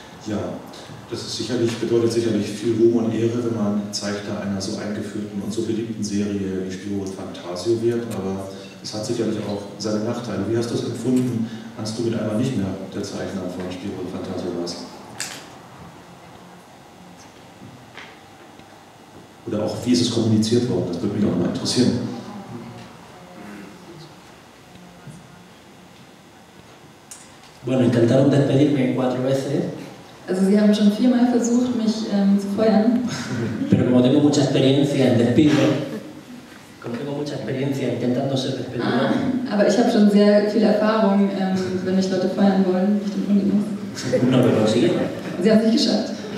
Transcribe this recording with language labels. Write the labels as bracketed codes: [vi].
[de] ja, das ist sicherlich, bedeutet sicherlich viel Ruhm und Ehre, wenn man Zeichner einer so eingeführten und so beliebten Serie wie Spiro und Fantasio wird, aber es hat sicherlich auch seine Nachteile. Wie hast du es empfunden, als du mit einmal nicht mehr der Zeichner von Spiro und Fantasio warst? Oder auch, wie ist es kommuniziert worden? Das würde mich auch mal interessieren. [es] Bueno, intentaron despedirme cuatro veces. [de] Also sie haben schon viermal versucht, mich zu feuern. [es] Pero como tengo mucha experiencia en despido, como tengo mucha experiencia intentando ser despedido. [de] Aber ich habe schon sehr viel Erfahrung, wenn mich Leute feuern wollen, ich den Hund genug. [es] No, pero sí. [de] Sie haben es nicht geschafft.